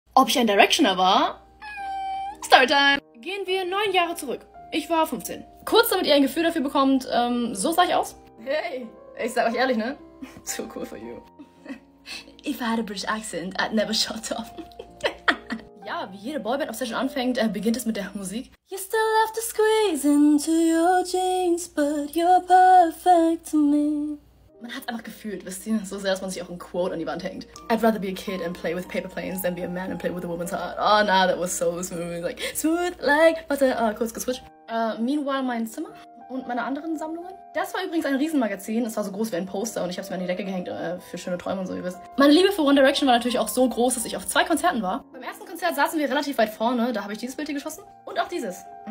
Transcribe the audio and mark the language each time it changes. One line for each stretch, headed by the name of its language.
German: Ob ich ein Directioner war? Storytime! Gehen wir 9 Jahre zurück. Ich war 15. Kurz, damit ihr ein Gefühl dafür bekommt, so sah ich aus. Hey, ich sag euch ehrlich, ne?
English: Too cool for you. If I had a British accent, I'd never shut up.
German: Ja, wie jede Boyband auf Session anfängt, beginnt es mit der Musik.
English: You still have to squeeze into your jeans, but you're perfect to me.
German: Man hat einfach gefühlt, wisst ihr, so sehr, dass man sich auch ein Quote an die Wand hängt.
English: I'd rather be a kid and play with paper planes than be a man and play with a woman's heart. Oh nah, that was so smooth. Like, smooth, like,
German: warte, kurz geswitcht. Meanwhile, mein Zimmer und meine anderen Sammlungen. Das war übrigens ein Riesenmagazin. Es war so groß wie ein Poster und ich habe es mir an die Decke gehängt für schöne Träume und so, ihr wisst. Meine Liebe für One Direction war natürlich auch so groß, dass ich auf 2 Konzerten war. Beim ersten Konzert saßen wir relativ weit vorne. Da habe ich dieses Bild hier geschossen. Und auch dieses.